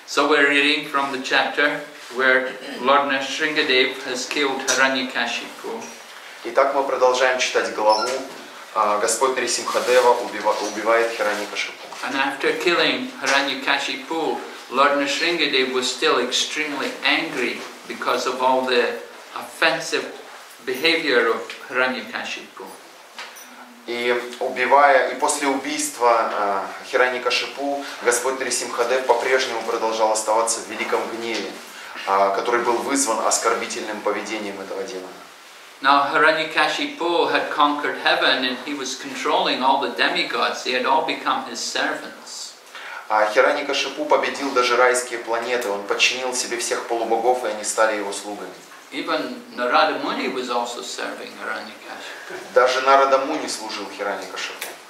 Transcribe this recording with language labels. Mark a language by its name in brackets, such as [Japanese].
[English] So we're reading from the chapter where Lord Nrisingadev has killed Hiranyakashipu. [Russian] Итак, мы продолжаем читать главу. Господь Нрисимхадева убивает Хираньякашипу. [English] And after killing Hiranyakashipu, Lord Nrisingadev was still extremely angry because of all the offensive behavior of Hiranyakashipu. [Russian] И после убийства Хираньякашипу, Господь Нарисимхадев по-прежнему продолжал оставаться в великом гневе, который был вызван оскорбительным поведением этого демона. [English] Now Hiranyakashipu had conquered heaven and he was controlling all the demigods. They had all become his servants. [Russian] Хираньякашипу победил даже райские планеты. Он подчинил себе всех полубогов, и они стали его слугами. [English] Even Narada Muni was also serving Hiranyakashipu. [Russian] Даже Нарада Муни служил Хираньякашипу.